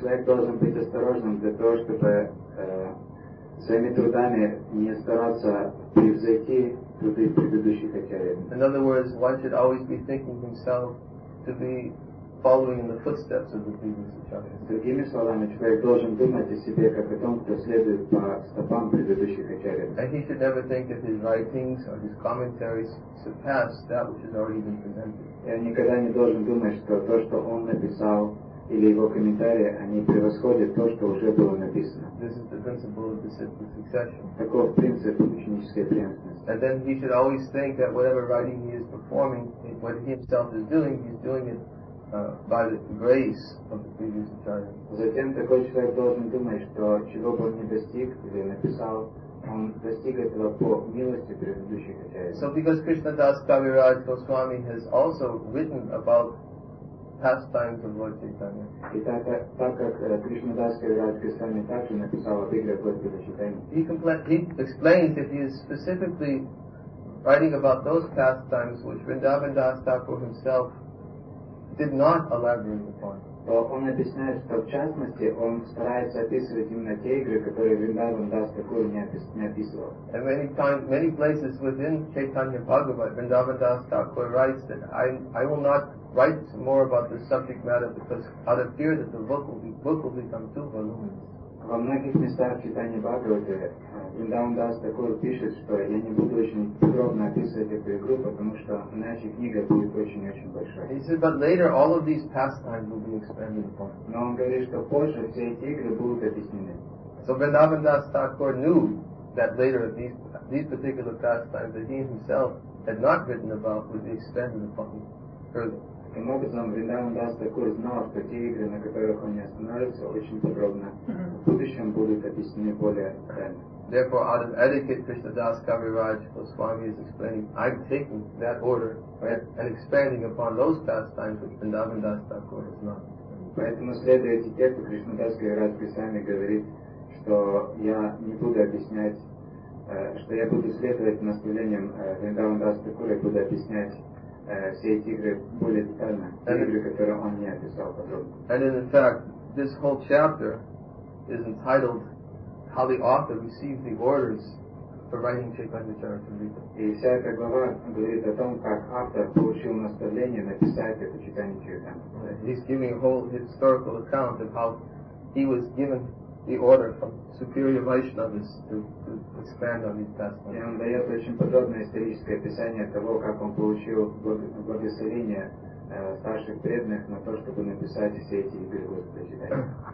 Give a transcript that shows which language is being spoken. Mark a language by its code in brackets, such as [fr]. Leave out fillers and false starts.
[ru] Человек должен быть осторожным для того, чтобы своими трудами не стараться превзойти труды предыдущих ачарьев. [en] In other words, one should always be thinking himself to be following in the footsteps of the previous acharyas. [ru] Другими словами, человек должен думать о себе как о том, кто следует по стопам предыдущих ачарьев. [en] And he should never think that his writings or his commentaries surpass that which has already been presented. [ru] И он никогда не должен думать, что то, что он написал, или его комментарии, они превосходят то, что уже было написано. [en] This is the principle of disciplic succession. [ru] Таков принцип ученической преемственности. [en] And then he should always think that whatever writing he is performing, what he himself is doing, he's doing it by the grace of the previous acharya. [ru] Затем такой человек должен думать, что чего бы он ни достиг или написал, он достиг этого по милости предыдущих ачарьев. [en] So because Krishna Das Kaviraj Goswami has also written about pastimes of Lord Chaitanya. [ru] И так как Krishna Das Kaviraj Goswami также написал о играх Господа Чайтаньи. [en] He explains that he is specifically writing about those pastimes which Vrindavan Das Thakur himself did not elaborate upon. [ru] То он объясняет, что в частности он старается описывать именно те игры, которые Вриндаван Дас Такур не описывал. [en] And many places within Chaitanya Bhagavat, Vriṇḍāvana Dasa Thakura writes that I will not write more about this subject matter because out of fear that the book will become too voluminous. [ru] Во многих местах Чайтаньи Бхагавата Вриндаван Дас Такур пишет, что я не буду очень подробно описывать эту игру, потому что иначе книга будет очень-очень большой. [en] He said, but later all of these pastimes will be expanded upon. [ru] Но он говорит, что позже все эти игры будут объяснены. [en] So Vriṇḍāvana Dasa Thakura knew that later these particular pastimes that he himself had not written about would be expanded upon further. [ru] Таким образом, Вриндаван Дас Такур знал, что те игры, на которых он не останавливается, очень подробно в будущем будут объяснены более детально. [en] Therefore, out of etiquette, Krishna Das Kaviraj Goswami is explaining, I'm taking that order and expanding upon those pastimes which Vriṇḍavana Dasa Thakura has not. [ru] Поэтому, следуя этикету, Krishna Das Kaviraj Goswami говорит, что я не буду объяснять, что я буду следовать наставлениям Vriṇḍavana Dasa Thakura и буду объяснять все эти игры более детально, те игры, которые он не описал подробно. [en] And in fact, this whole chapter is entitled how the author received the orders for writing Chaitanya Charitamrita. [ru] И вся эта глава говорит о том, как автор получил наставление написать это Chaitanya Charitamrita. [en] He's giving a whole historical account of how he was given the order from superior Vaishnavas to expand on these pastimes. [ru] И он дает очень подробное историческое описание того, как он получил благословение старших преданных на то, чтобы написать все эти игры Господа Читания.